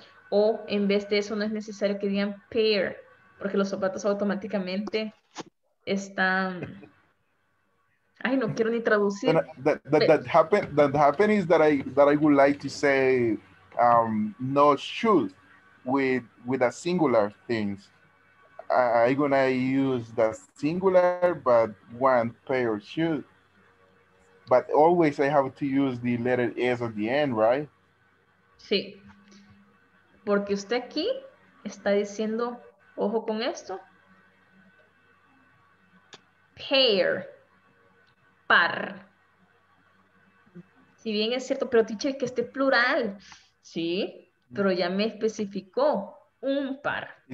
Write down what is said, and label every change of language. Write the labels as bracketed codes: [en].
[es] O en vez de eso no es necesario que digan pair, porque los zapatos automáticamente están... Ay, no quiero ni traducir. [en] That happened is that I would like to say no shoes with a singular things. I'm going to use the singular, but one pair of shoes. But always I have to use the letter S at the end, right? [es] Sí. Porque usted aquí está diciendo, ojo con esto. Pair. Par. Si bien es cierto, pero teacher, que esté plural. Sí, pero ya me especificó. Un par.